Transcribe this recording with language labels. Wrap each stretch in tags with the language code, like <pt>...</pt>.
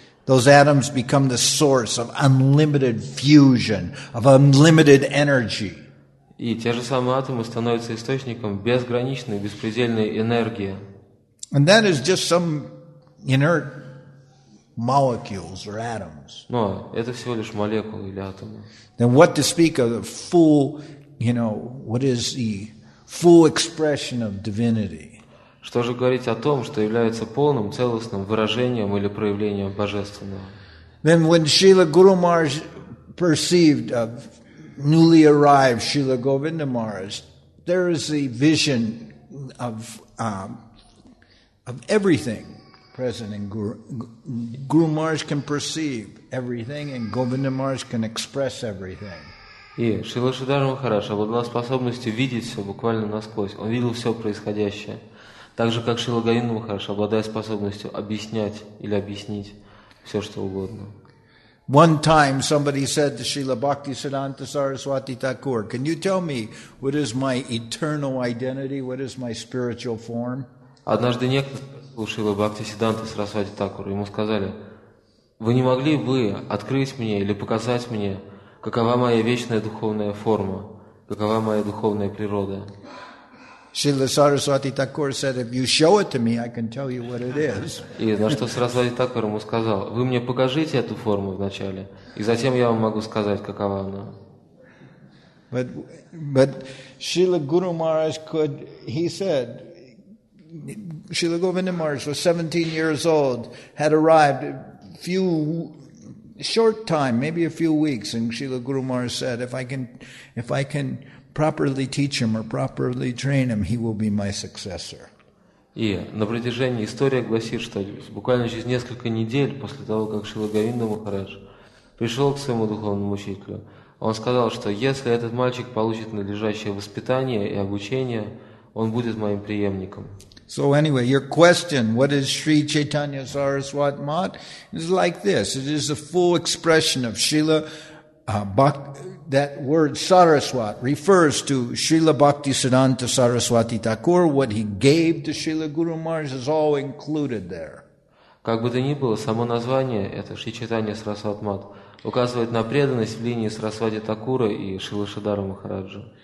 <en>Those atoms become the source of unlimited fusion, of unlimited energy.</en> <ru>И те же самые атомы становятся источником безграничной, беспредельной энергии.</ru> <en>And that is just some inert molecules or atoms.</en> <ru>Но это всего лишь молекулы или атомы.</ru> <en>Then what to speak of the full, you know, what is the full expression of divinity?</en> <ru>Что же говорить о том, что является полным, целостным выражением или проявлением Божественного?</ru> <en>Then when Srila Guru Maharaj perceived of newly arrived Srila Govinda Maharaj, there is a vision of everything. present in Guru. Guru Maharaj can perceive everything, and Govinda Maharaj can express everything.</en> <ru>И Шрила Шридхара Махарадж обладал способностью видеть все буквально насквозь. Он видел все происходящее. Так же, как Шрила Говинда Махарадж, обладая способностью объяснять или объяснить все, что угодно.</ru> <en>One time somebody said to Srila Bhaktisiddhanta Saraswati Thakur, can you tell me what is my eternal identity, what is my spiritual form?</en> <ru>Однажды некто спросил Шрила Бхактисиддханта Сарасвати Такур, ему сказали, вы не могли бы открыть мне или показать мне, какова моя вечная духовная форма? Какова моя духовная природа?</ru> <en>Шрила Сарасвати Такур said, if you show it to me, I can tell you what it is.</en> <ru>И на что Сарасвати Такур ему сказал, вы мне покажите эту форму вначале, и затем я вам могу сказать, какова она.</ru> <en>But Шрила Гуру Махарадж could, he said, Шрила Говинда Махарадж was 17 years old, had arrived a few short time, maybe a few weeks, and Srila Guru Maharaj said, if I can properly teach him or properly train him, he will be my successor.</en> <ru>И на протяжении истории гласит, что буквально через несколько недель после того, как Шрила Говинда Махарадж пришел к своему духовному учителю, он сказал, что если этот мальчик получит надлежащее воспитание и обучение, он будет моим преемником.</ru> <en>So anyway, your question, what is Sri Chaitanya Saraswati Math? It's like this. It is a full expression of Srila Bhakti. That word Saraswat refers to Srila Bhakti Siddhanta Saraswati Thakur. What he gave to Srila Guru Maharaj is all included there.</en> <ru>Как бы то ни было, само название, это Шри Чайтанья Сарасвати Мат, указывает на преданность в линии Сарасвати Такура и Шрилы Шридхара Махараджа.</ru>